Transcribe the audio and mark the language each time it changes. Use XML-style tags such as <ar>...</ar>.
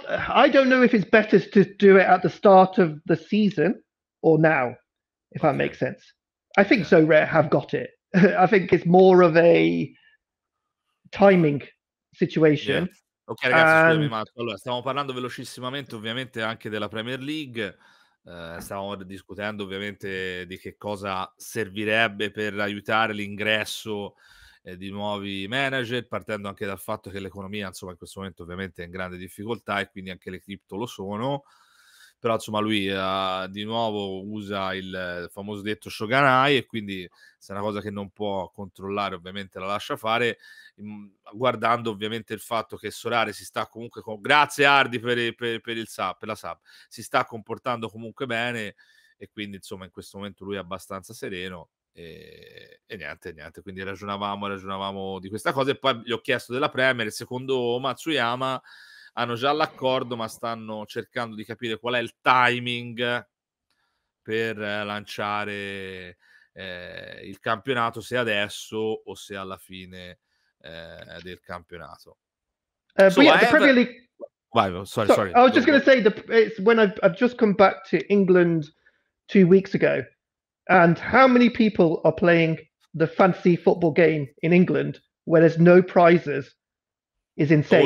<en>I don't know if it's better to do it at the start of the season or now, if that makes sense. I think Sorare have got it. I think it's more of a timing situation.</en> <it>Yeah. Ok ragazzi, scusami Marco. Allora, stiamo parlando velocissimamente ovviamente anche della Premier League. Stavamo discutendo ovviamente di che cosa servirebbe per aiutare l'ingresso di nuovi manager, partendo anche dal fatto che l'economia, insomma, in questo momento ovviamente è in grande difficoltà e quindi anche le cripto lo sono. Però insomma lui di nuovo usa il famoso detto Shogunai, e quindi se è una cosa che non può controllare ovviamente la lascia fare, guardando ovviamente il fatto che Sorare si sta comunque grazie Ardi per la sub, si sta comportando comunque bene, e quindi insomma in questo momento lui è abbastanza sereno e niente, quindi ragionavamo di questa cosa. E poi gli ho chiesto della Premier, secondo Matsuyama hanno già l'accordo, ma stanno cercando di capire qual è il timing per lanciare il campionato, se adesso o se alla fine del campionato.</it> <en>I was just going to say it's when I've just come back to England 2 weeks ago, and how many people are playing the fantasy football game in England where there's no prizes is insane.</en>